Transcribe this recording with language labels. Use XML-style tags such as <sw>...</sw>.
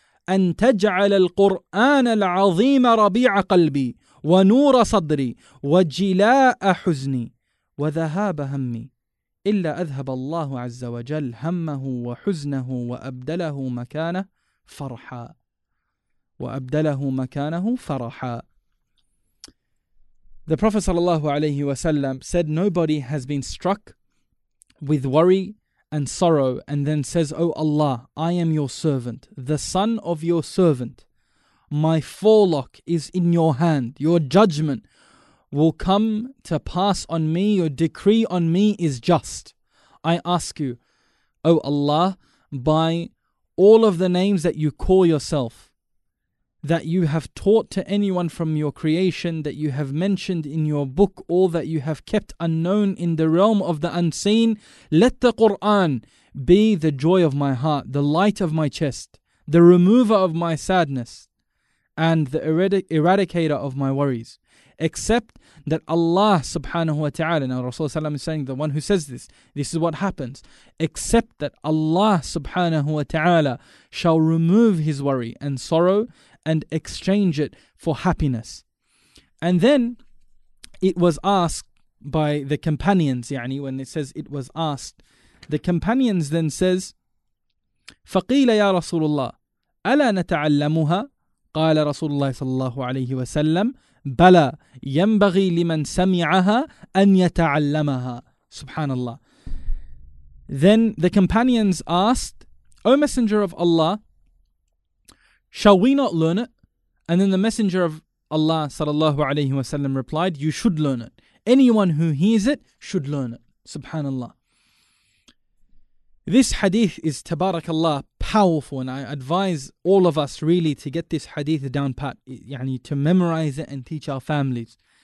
<ar>أن تجعل القرآن العظيم ربيع قلبي ونور صدري وجلاء حزني وذهاب همي إلا أذهب الله عز وجل همه وحزنه وأبدله مكانه فرحا وأبدله مكانه فرحا.</ar> <en>The Prophet sallallahu alayhi wa sallam said, nobody has been struck with worry and sorrow and then says, O Allah, I am your servant, the son of your servant. My forelock is in your hand. Your judgment will come to pass on me. Your decree on me is just. I ask you, O Allah, by all of the names that you call yourself, that you have taught to anyone from your creation, that you have mentioned in your book, or that you have kept unknown in the realm of the unseen, let the Quran be the joy of my heart, the light of my chest, the remover of my sadness, and the eradicator of my worries. Except that Allah subhanahu wa ta'ala, now Rasulullah is saying the one who says this, this is what happens. Except that Allah subhanahu wa ta'ala shall remove his worry and sorrow and exchange it for happiness. And then it was asked by the companions, يعني when it says it was asked, the companions then says,</en> <ar>فَقِيلَ يَا رَسُولُ اللَّهِ أَلَا نَتَعَلَّمُهَا قَالَ رَسُولُ اللَّهِ صَلَى اللَّهُ عَلَيْهِ وَسَلَّمْ بَلَا يَنْبَغِي لِمَنْ سَمِعَهَا أَنْ يَتَعَلَّمَهَا.</ar> <en>Subhanallah. Then the companions asked, O Messenger of Allah, shall we not learn it? And then the Messenger of Allah sallallahu alayhi wa sallam replied, you should learn it. Anyone who hears it should learn it. Subhanallah. This hadith is, tabarakallah, powerful, and I advise all of us really to get this hadith down pat, يعني, to memorize it and teach our families.</en>